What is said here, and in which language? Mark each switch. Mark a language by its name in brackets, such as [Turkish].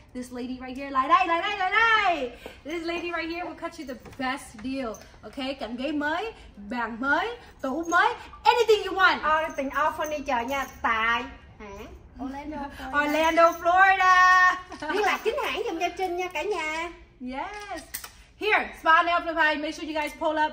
[English] This lady right here, [Vietnamese] lại đây. [English] This lady right here will cut you the best deal, okay? [Vietnamese] Cảnh ghế mới, bàn mới, tủ mới, [English] anything you want. All the thing, all furniture nha, tại Orlando, Florida. [Vietnamese] Liên lạc chính hãng dùm cho Trinh nha, cả nhà. [English] Yes. Here, Spa Nail Supply. Make sure you guys pull up.